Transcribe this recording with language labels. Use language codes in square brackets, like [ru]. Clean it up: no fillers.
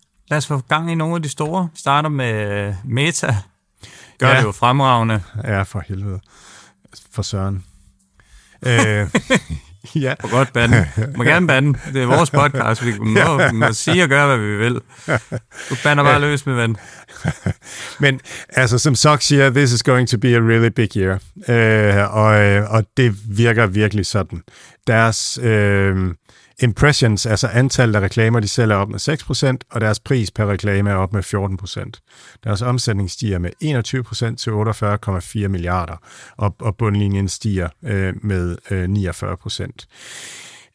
[da] Lad os få gang i nogle af de store. Vi starter med Meta. Gør ja. Det jo fremragende. Ja, for helvede. For søren. Ja. For godt banden. Må gerne banden. Det er vores podcast. Vi må, må sige og gøre, hvad vi vil. Du bander bare løs med vand. Men altså, som Sox siger, [en] this is going to be a really big year. [da] Og det virker virkelig sådan. Deres impressions, altså antallet af reklamer, de sælger op med 6%, og deres pris per reklame er op med 14%. Deres omsætning stiger med 21% til 48,4 milliarder, og bundlinjen stiger med 49%.